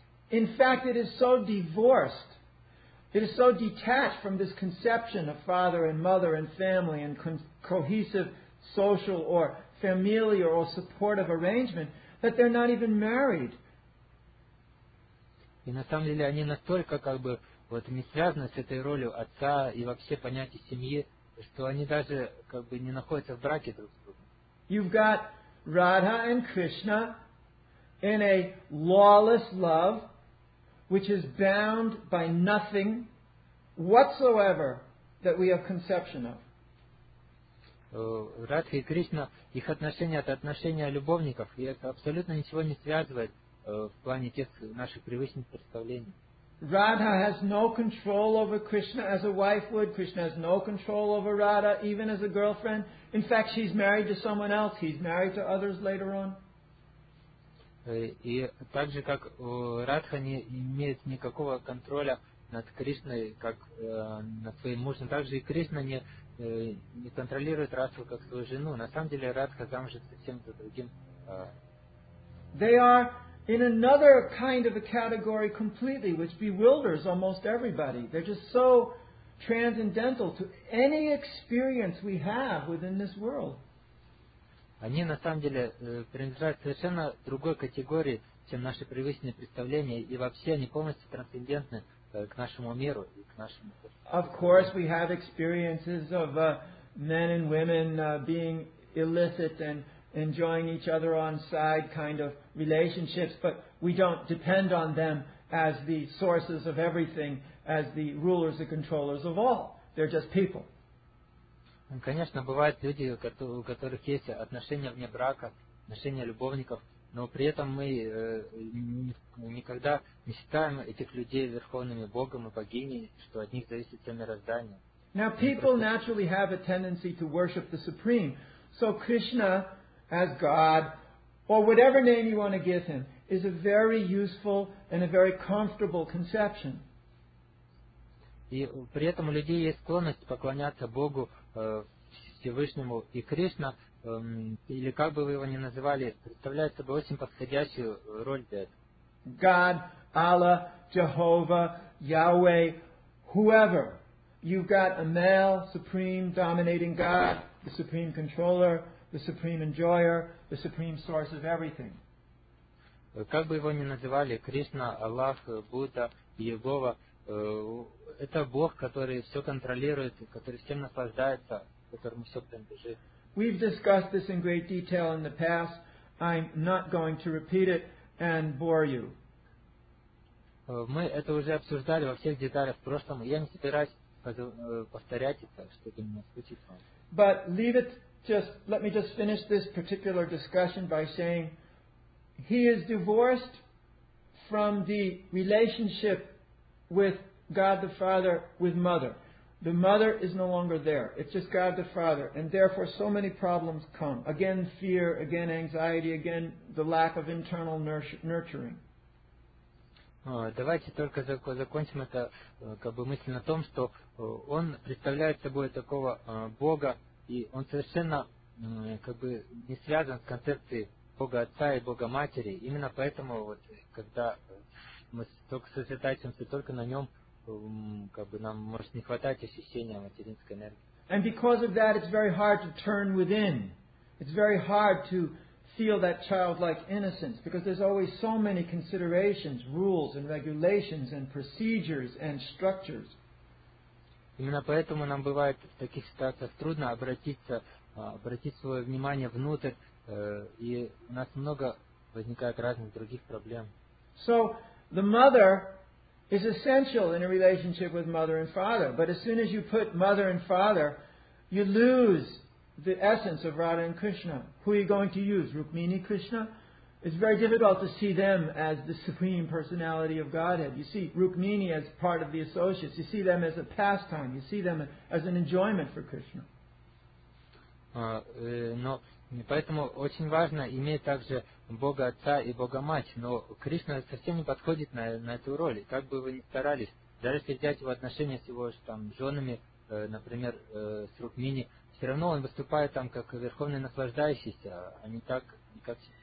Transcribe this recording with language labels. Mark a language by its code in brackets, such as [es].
[en] In fact, it is so divorced, it is so detached from this conception of father and mother and family and cohesive social or familiar or supportive arrangement that they're not even married. [ru] И на самом деле они настолько как бы вот не связаны с этой ролью отца и вообще понятия семьи, что они даже как бы не находятся в браке друг с другом. [en] You've got Radha and Krishna in a lawless love, which is bound by nothing whatsoever that we have conception of. [ru] Радха и Кришна, их отношения — это отношения любовников, и это абсолютно ничего не связывает в плане тех наших привычных представлений. [en] Radha has no control over Krishna as a wife would. Krishna has no control over Radha, even as a girlfriend. In fact, she's married to someone else. He's married to others later on. [ru] И так же, как Радха не имеет никакого контроля над Кришной, как над своим мужем, так же и Кришна не контролирует Радху как свою жену. На самом деле Радха замужем совсем за другим. [en] They are in another kind of a category completely, which bewilders almost everybody. They're just so transcendental to any experience we have within this world. [ru] Они на самом деле принадлежат совершенно другой категории, чем наши привычные представления, и вообще они полностью трансцендентны к нашему миру и к нашему. [en] Of course, we have experiences of men and women being illicit and enjoying each other on side kind of relationships, but we don't depend on them as the sources of everything, as the rulers and controllers of all. They're just people. [ru] Конечно, бывают люди, у которых есть отношения вне брака, отношения любовников, но при этом мы никогда не считаем этих людей верховными богом и богиней, что от них зависит все мироздание. [en] Now, people naturally have a tendency to worship the Supreme. So Krishna, as God, or whatever name you want to give him, is a very useful and a very comfortable conception. [ru] И при этом у людей есть склонность поклоняться Богу Всевышнему, и Кришна, или как бы вы его ни называли, представляет собой очень подходящую роль для этого. [en] God, Allah, Jehovah, Yahweh, whoever. You've got a male, supreme, dominating God, the supreme controller, the supreme enjoyer, the supreme source of everything. [ru] Как бы его ни называли, Кришна, Аллах, Будда, Иегова, это Бог, который все контролирует, который всем наслаждается, которому все принадлежит. [en] We've discussed this in great detail in the past. I'm not going to repeat it and bore you. [ru] Мы это уже обсуждали во всех деталях в прошлом, и я не собираюсь повторять это, чтобы не наскучить вам. [en] But leave it, just let me just finish this particular discussion by saying he is divorced from the relationship with God the Father, with mother. The mother is no longer there. It's just God the Father. And therefore, so many problems come. Again, fear, again, anxiety, again, the lack of internal nurturing. [ru] Давайте только закончим это как бы мысль на том, что он представляет собой такого Бога, и он совершенно как бы не связан с концепцией Бога Отца и Бога Матери. Именно поэтому, вот, когда мы только сосредотачиваемся только на нем, как бы нам может не хватать ощущения материнской энергии. [en] And because of that, it's very hard to turn within. It's very hard to feel that childlike innocence, because there's always so many considerations, rules and regulations and procedures and structures. [ru] Именно поэтому нам бывает в таких ситуациях трудно обратить свое внимание внутрь, и у нас много возникает разных других проблем. [en] So, the mother is essential in a relationship with mother and father, but as soon as you put mother and father, you lose the essence of Radha and Krishna. Who are you going to use? Rukmini Krishna? It's very difficult to see them as the Supreme Personality of Godhead. You see Rukmini as part of the associates. You see them as a pastime. You see them as an enjoyment for Krishna. [ru] Но поэтому очень важно иметь также Бога Отца и Бога Мать. Но Кришна совсем не подходит на эту роль. И как бы вы ни старались, даже если взять его отношения с его там женами, например, с Рукмини, все равно он выступает там как верховный наслаждающийся, а не так, как.